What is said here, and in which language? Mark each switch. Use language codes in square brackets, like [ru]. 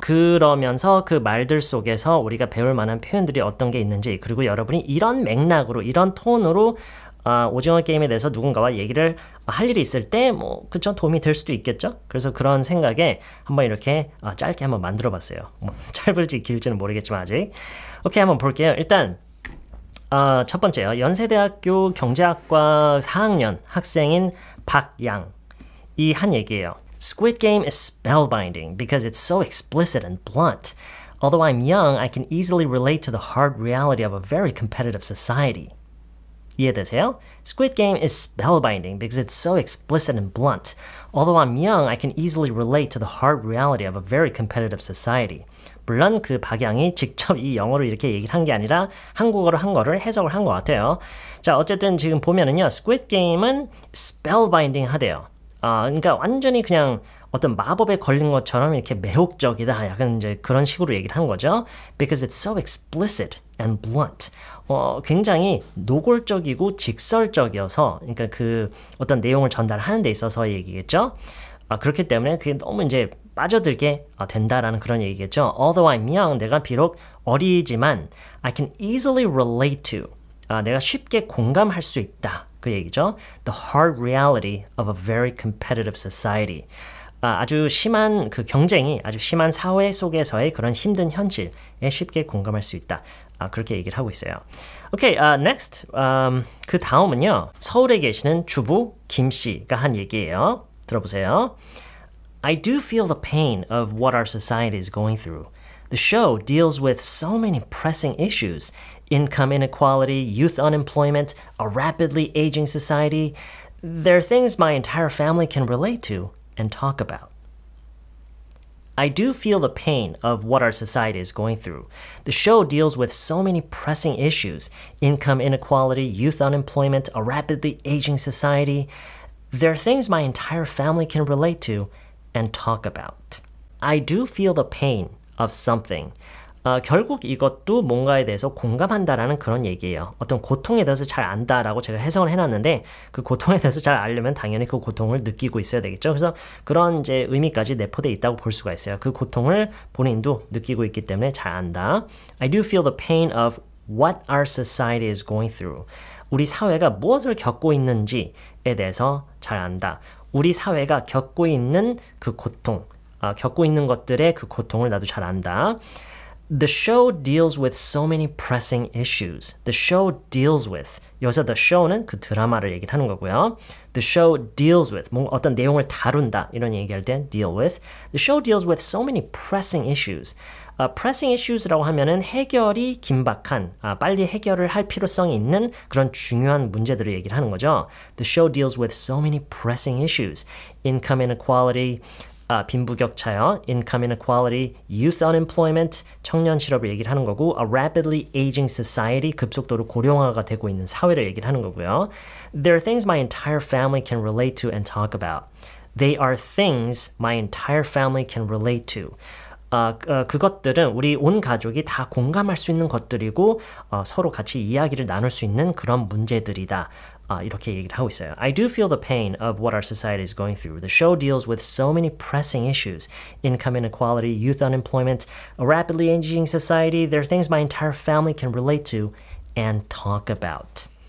[ko] 그러면서 그 말들 속에서 우리가 배울 만한 표현들이 어떤 게 있는지, 그리고 여러분이 이런 맥락으로 이런 톤으로 오징어 게임에 대해서 누군가와 얘기를 할 일이 있을 때 뭐 그쵸 도움이 될 수도 있겠죠. 그래서 그런 생각에 한번 이렇게 짧게 한번 만들어 봤어요. 뭐 짧을지 길지는 모르겠지만 아직. 오케이, 한번 볼게요. 일단 첫 번째요. 연세대학교 경제학과 4학년 학생인 박양 이 한 얘기예요. [en] Squid Game is spellbinding because it's so explicit and blunt. Although I'm young, I can easily relate to the hard reality of a very competitive society. [ko] 이해되세요? [en] Squid Game is spellbinding because it's so explicit and blunt. Although I'm young, I can easily relate to the hard reality of a very competitive society. [ko] 물론 그 박양이 직접 이 영어로 이렇게 얘기를 한 게 아니라 한국어로 한 거를 해석을 한 것 같아요. 자, 어쨌든 지금 보면은요, Squid Game은 spellbinding 하대요. 그러니까 완전히 그냥 어떤 마법에 걸린 것처럼 이렇게 매혹적이다, 약간 이제 그런 식으로 얘기를 한 거죠. [en] Because it's so explicit and blunt. [ko] 굉장히 노골적이고 직설적이어서, 그러니까 그 어떤 내용을 전달하는 데 있어서 얘기겠죠. 그렇기 때문에 그게 너무 이제 빠져들게 된다라는 그런 얘기겠죠. [en] Although I'm young, [ko] 내가 비록 어리지만 [en] I can easily relate to, [ko] 내가 쉽게 공감할 수 있다. 그 얘기죠. [en] The hard reality of a very competitive society. [ko] 아주 심한 그 경쟁이, 아주 심한 사회 속에서의 그런 힘든 현실에 쉽게 공감할 수 있다. 그렇게 얘기를 하고 있어요. [en] Okay, next. [ko] 그 다음은요. 서울에 계시는 주부 김 씨가 한 얘기예요. 들어보세요. [en] I do feel the pain of what our society is going through. The show deals with so many pressing issues. Income inequality, youth unemployment, a rapidly aging society. They're things my entire family can relate to and talk about. I do feel the pain of what our society is going through. The show deals with so many pressing issues. Income inequality, youth unemployment, a rapidly aging society. They're things my entire family can relate to and talk about. I do feel the pain of something. [ko] 결국 이것도 뭔가에 대해서 공감한다라는 그런 얘기예요. 어떤 고통에 대해서 잘 안다라고 제가 해석을 해놨는데, 그 고통에 대해서 잘 알려면 당연히 그 고통을 느끼고 있어야 되겠죠. 그래서 그런 이제 의미까지 내포되어 있다고 볼 수가 있어요. 그 고통을 본인도 느끼고 있기 때문에 잘 안다. [en] I do feel the pain of what our society is going through. [ko] 우리 사회가 무엇을 겪고 있는지에 대해서 잘 안다. 우리 사회가 겪고 있는 그 고통, 겪고 있는 것들의 그 고통을 나도 잘 안다. [en] The show deals with so many pressing issues. The show deals with. [ko] 여기서 the show는 그 드라마를 얘기를 하는 거고요. [en] The show deals with. [ko] 뭔가 어떤 내용을 다룬다. 이런 얘기할 때 deal with. [en] The show deals with so many pressing issues. [ko] Pressing issues라고 하면은 해결이 긴박한, 빨리 해결을 할 필요성이 있는 그런 중요한 문제들을 얘기를 하는 거죠. [en] The show deals with so many pressing issues. [ko] Income inequality. 빈부격차요. [en] Income inequality, youth unemployment, [ko] 청년 실업을 얘기를 하는 거고, [en] a rapidly aging society, [ko] 급속도로 고령화가 되고 있는 사회를 얘기를 하는 거고요. [en] There are things my entire family can relate to and talk about. They are things my entire family can relate to. [ko] 그것들은 우리 온 가족이 다 공감할 수 있는 것들이고, 서로 같이 이야기를 나눌 수 있는 그런 문제들이다. 이렇게 얘기를 하고 있어요. [en] I do feel the pain of what our society is going through. The show deals with so many pressing issues. Income inequality, youth unemployment, a rapidly aging society. There are things my entire family can relate to and talk about.